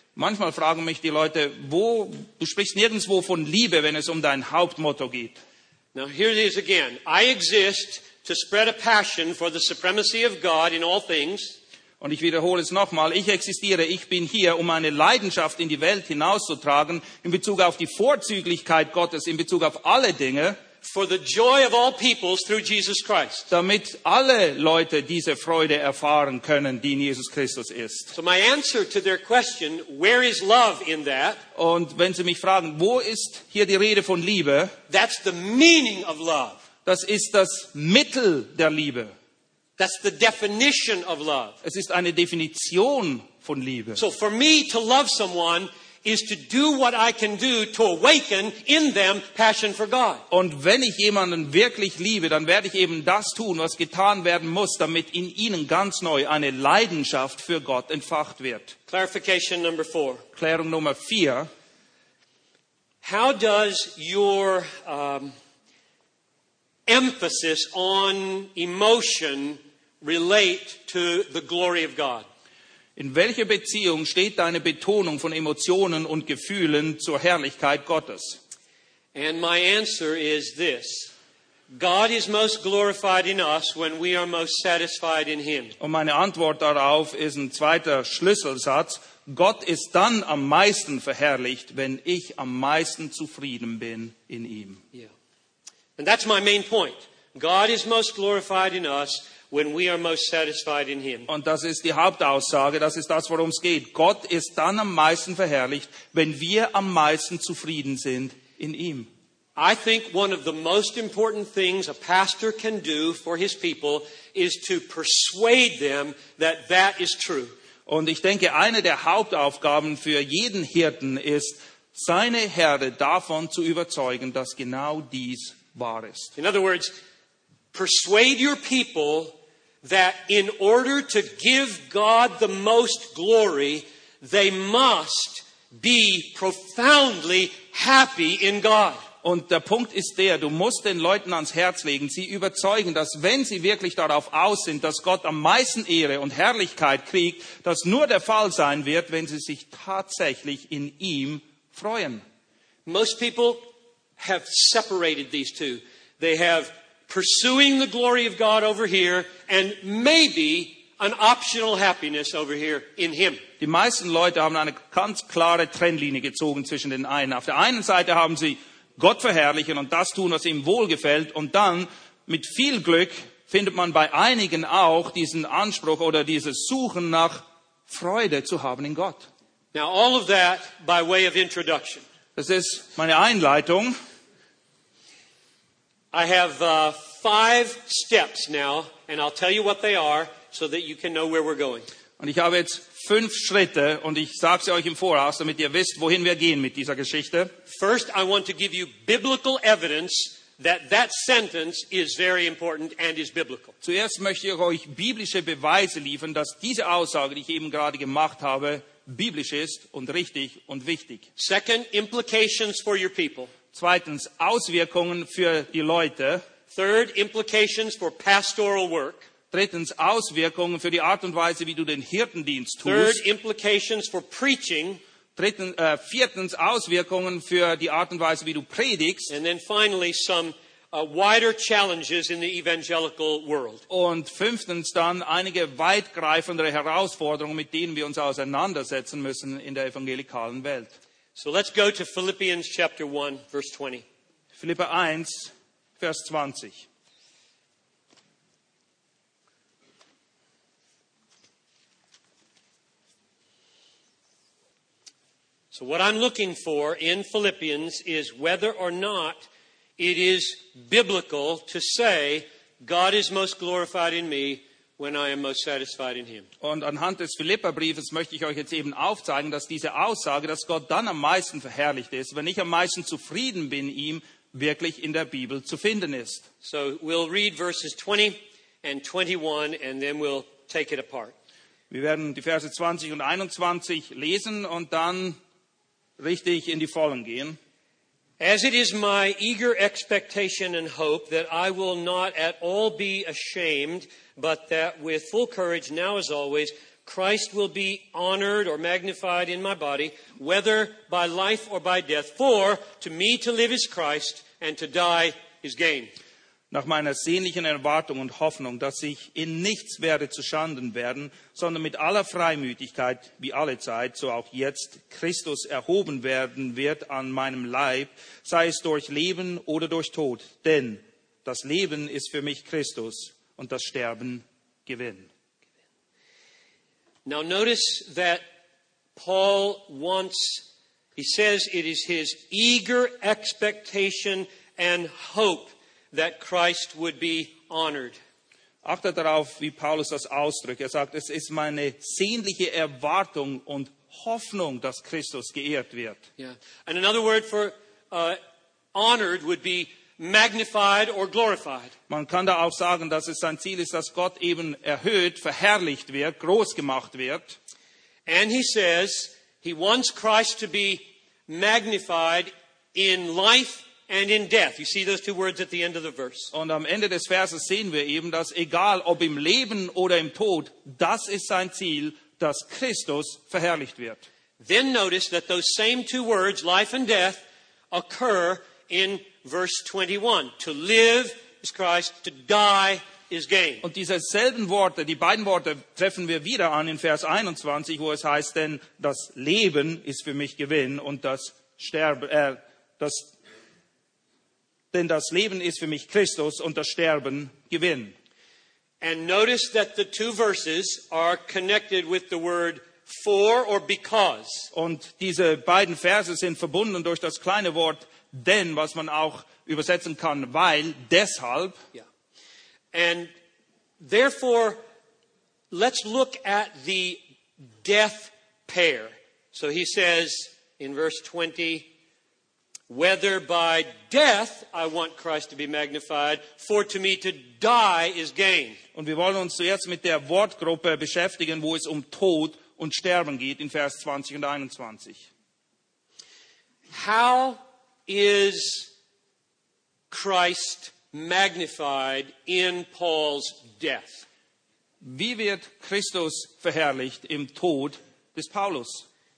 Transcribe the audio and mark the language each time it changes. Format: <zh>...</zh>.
<de>Manchmal fragen mich die Leute, wo du sprichst nirgendwo von Liebe, wenn es um dein Hauptmotto geht.</de> <en>Now here it is again. I exist to spread a passion for the supremacy of God in all things.</en> <de>Und ich wiederhole es nochmal. Ich existiere, ich bin hier, um meine Leidenschaft in die Welt hinauszutragen in Bezug auf die Vorzüglichkeit Gottes, in Bezug auf alle Dinge.</de> <en>For the joy of all peoples through Jesus Christ.</en> <de>Damit alle Leute diese Freude erfahren können, die in Jesus Christus ist.</de> <en>So my answer to their question, where is love in that?</en> <de>Und wenn sie mich fragen, wo ist hier die Rede von Liebe?</de> <en>That's the meaning of love.</en> <de>Das ist das Mittel der Liebe.</de> <en>That's the definition of love.</en> <de>Es ist eine Definition von Liebe.</de> <en>So for me to love someone is to do what I can do to awaken in them passion for God.</en> <de>Und wenn ich jemanden wirklich liebe, dann werde ich eben das tun, was getan werden muss, damit in ihnen ganz neu eine Leidenschaft für Gott entfacht wird.</de> <en>Clarification number four.</en> <de>Klärung Nummer vier.</de> <en>How does your emphasis on emotion relate to the glory of God?</en> <de>In welcher Beziehung steht deine Betonung von Emotionen und Gefühlen zur Herrlichkeit Gottes?</de> <en>And my answer is this. God is most glorified in us when we are most satisfied in him.</en> <de>Und meine Antwort darauf ist ein zweiter Schlüsselsatz. Gott ist dann am meisten verherrlicht, wenn ich am meisten zufrieden bin in ihm.</de> <en>Yeah. And that's my main point. God is most glorified in us when we are most satisfied in him.</en> <de>Und das ist die Hauptaussage, das ist das, worum es geht. Gott ist dann am meisten verherrlicht, wenn wir am meisten zufrieden sind in ihm.</de> <en>I think one of the most important things a pastor can do for his people is to persuade them that that is true.</en> <de>Und ich denke, eine der Hauptaufgaben für jeden Hirten ist, seine Herde davon zu überzeugen, dass genau dies wahr ist.</de> <en>In other words, persuade your people that in order to give God the most glory, they must be profoundly happy in God.</en> <de>Und der Punkt ist der, du musst den Leuten ans Herz legen, sie überzeugen, dass wenn sie wirklich darauf aus sind, dass Gott am meisten Ehre und Herrlichkeit kriegt, das nur der Fall sein wird, wenn sie sich tatsächlich in ihm freuen.</de> <en>Most people have separated these two. They have pursuing the glory of God over here and maybe an optional happiness over here in him.</en> <de>Die meisten Leute haben eine ganz klare Trennlinie gezogen zwischen den einen. Auf der einen Seite haben sie Gott verherrlichen und das tun, was ihm wohlgefällt. Und dann, mit viel Glück, findet man bei einigen auch diesen Anspruch oder dieses Suchen nach Freude zu haben in Gott.</de> <en>Now all of that by way of introduction.</en> <de>Das ist meine Einleitung.</de> <en>I have five steps now, and I'll tell you what they are, so that you can know where we're going.</en> <de>Und ich habe jetzt fünf Schritte, und ich sage sie euch im Voraus, damit ihr wisst, wohin wir gehen mit dieser Geschichte.</de> <en>First, I want to give you biblical evidence that that sentence is very important and is biblical.</en> <de>Zuerst möchte ich euch biblische Beweise liefern, dass diese Aussage, die ich eben gerade gemacht habe, biblisch ist und richtig und wichtig.</de> <en>Second, implications for your people.</en> <de>Zweitens, Auswirkungen für die Leute.</de> <en>Third, implications for pastoral work.</en> <de>Drittens, Auswirkungen für die Art und Weise, wie du den Hirtendienst tust.</de> <en>Third, implications for preaching.</en> <de>Viertens, Auswirkungen für die Art und Weise, wie du predigst.</de> <en>And then finally, some wider challenges in the evangelical world.</en> <de>Und fünftens dann einige weitgreifendere Herausforderungen, mit denen wir uns auseinandersetzen müssen in der evangelikalen Welt.</de> <en>So let's go to Philippians chapter 1, verse 20.</en> <de>Philippa 1, Vers 20.</de> <en>So what I'm looking for in Philippians is whether or not it is biblical to say God is most glorified in me when I am most satisfied in him.</en> <de>Und anhand des Philipperbriefes möchte ich euch jetzt eben aufzeigen, dass diese Aussage, dass Gott dann am meisten verherrlicht ist, wenn ich am meisten zufrieden bin ihm, wirklich in der Bibel zu finden ist.</de> <en>So we'll read verses 20 and 21 and then we'll take it apart.</en> <de>Wir werden die Verse 20 und 21 lesen und dann richtig in die Vollen gehen.</de> <en>As it is my eager expectation and hope that I will not at all be ashamed, but that with full courage now as always, Christ will be honored or magnified in my body, whether by life or by death. For to me to live is Christ, and to die is gain.</en> <de>Nach meiner sehnlichen Erwartung und Hoffnung, dass ich in nichts werde zu Schanden werden, sondern mit aller Freimütigkeit wie alle Zeit, so auch jetzt Christus erhoben werden wird an meinem Leib, sei es durch Leben oder durch Tod. Denn das Leben ist für mich Christus und das Sterben Gewinn.</de> <en>Now notice that Paul wants, he says it is his eager expectation and hope that Christ would be honored.</en> <de>Achtet darauf, wie Paulus das ausdrückt. Er sagt, es ist meine sehnliche Erwartung und Hoffnung, dass Christus geehrt wird.</de> <en>Yeah. And another word for honored would be magnified or glorified.</en> <de>Man kann da auch sagen, dass es sein Ziel ist, dass Gott eben erhöht, verherrlicht wird, groß gemacht wird.</de> <en>And he says, he wants Christ to be magnified in life and in death. You see those two words at the end of the verse.</en> <de>Und am Ende des Verses sehen wir eben, dass egal ob im Leben oder im Tod, das ist sein Ziel, dass Christus verherrlicht wird.</de> <en>Then notice that those same two words, life and death, occur in verse 21. To live is Christ, to die is gain.</en> <de>Und diese selben Worte, die beiden Worte, treffen wir wieder an in Vers 21, wo es heißt, denn das Leben ist für mich Gewinn und das Sterben, denn das Leben ist für mich Christus und das Sterben Gewinn.</de> <en>And notice that the two verses are connected with the word for or because.</en> <de>Und diese beiden Verse sind verbunden durch das kleine Wort denn, was man auch übersetzen kann, weil, deshalb.</de> <en>Yeah. And therefore, let's look at the death pair. So he says in verse 20, Whether by death I want Christ to be magnified, for to me to die is gain.</en> <de>Und wir wollen uns zuerst mit der Wortgruppe beschäftigen, wo es um Tod und Sterben geht, in Vers 20 und 21.</de> <en>How is Christ magnified in Paul's death?</en> <de>Wie wird Christus verherrlicht im Tod des Paulus?</de>